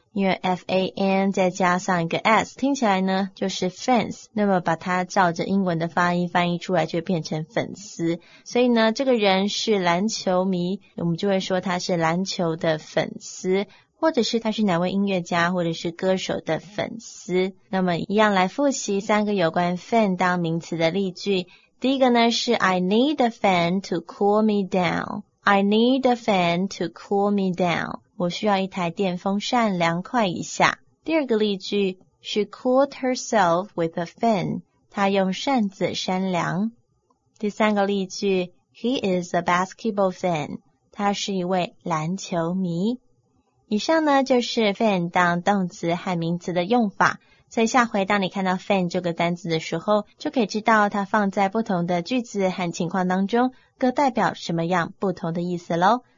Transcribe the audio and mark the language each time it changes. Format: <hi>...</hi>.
<zh>因为 fan 再加上一个 s 听起来呢就是 fans 那么把它照着英文的发音翻译出来就变成粉丝所以呢这个人是篮球迷我们就会说他是篮球的粉丝或者是他是哪位音乐家或者是歌手的粉丝那么一样来复习三个有关 fan 当名词的例句第一个呢是</zh> <en>I need a fan to cool me down I need a fan to cool me down</en> <zh>我需要一台电风扇凉快一下。第二个例句 ,</zh> <en>She cooled herself with a fan,</en> <zh>她用扇子扇凉。第三个例句 ,</zh> <en>He is a basketball fan,</en> <zh>他是一位篮球迷。以上呢就是 fan 当动词和名词的用法。所以下回当你看到 fan 这个单词的时候就可以知道它放在不同的句子和情况当中各代表什么样不同的意思咯。</zh>